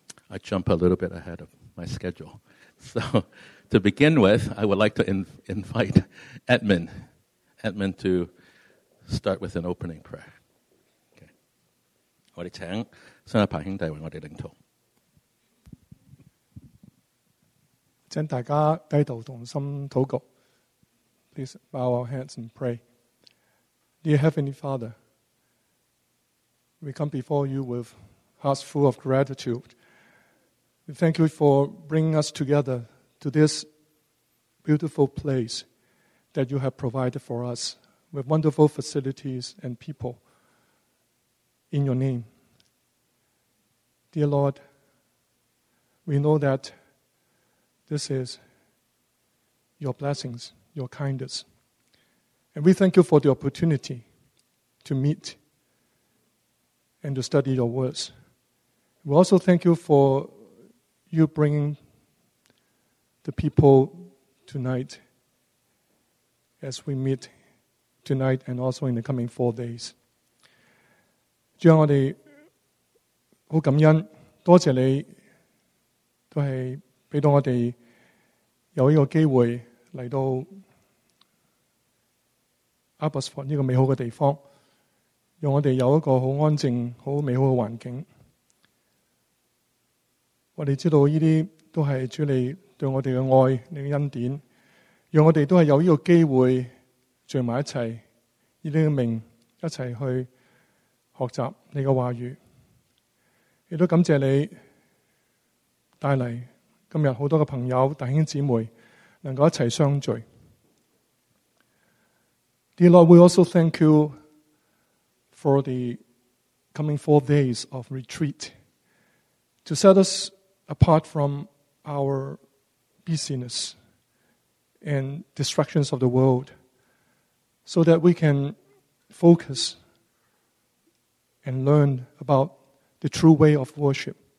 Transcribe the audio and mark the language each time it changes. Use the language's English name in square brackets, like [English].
[English] I jump a little bit ahead of my schedule. So,To begin with, I would like to invite Edmund to start with an opening prayer. Okay. [Chinese] 我们请新一派兄弟为我们领导。请大家低头同心祷告。 [English] Please bow our heads and pray. Dear Heavenly Father, we come before you with hearts full of gratitude. We thank you for bringing us together to this. Beautiful place that you have provided for us with wonderful facilities and people in your name. Dear Lord, we know that this is your blessings, your kindness. And we thank you for the opportunity to meet and to study your words. We also thank you for you bringing the peopletonight, as we meet tonight and also in the coming 4 days. [Chinese] 主啊，我们很感恩，多谢你都是给到我们有这个机会来到 Abbotsford 这个美好的地方，让我们有一个很安静很美好的环境。我们知道这些都是主你对我们的爱，你的恩典，让我们都是有这个机会聚在一起，以你的名一起去学习你的话语。也都感谢你带来今天很多的朋友弟兄姊妹能够一起相聚。 [English] Dear Lord, we also thank you for the coming 4 days of retreat to set us apart from our busyness. And distractions of the world, so that we can focus and learn about the true way of worship.